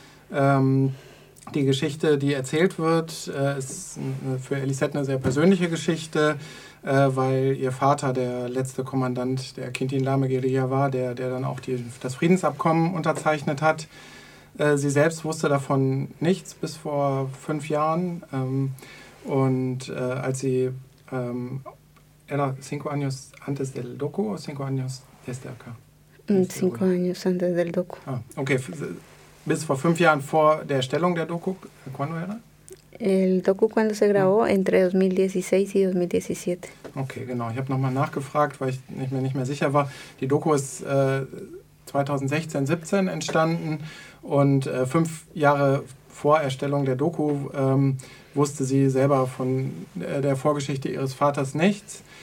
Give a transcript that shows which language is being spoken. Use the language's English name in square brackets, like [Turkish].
[German] Die Geschichte, die erzählt wird, ist für Elisette eine sehr persönliche Geschichte, weil ihr Vater der letzte Kommandant der Quintin Lame Guerilla war, der dann auch das Friedensabkommen unterzeichnet hat. Sie selbst wusste davon nichts bis vor 5 Jahren. Als sie, [Spanish] era 5 años antes del docu o 5 años desde acá? 5 años antes del docu. Ah, okay. [German] Bis vor 5 Jahren vor der Erstellung der Doku, [Spanish] cuando era? El docu cuando se grabó, entre 2016 y 2017. [German] Okay, genau. Ich habe nochmal nachgefragt, weil ich nicht mehr sicher war. Die Doku ist 2016/17 entstanden und 5 Jahre vor Erstellung der Doku wusste sie selber von der Vorgeschichte ihres Vaters nichts.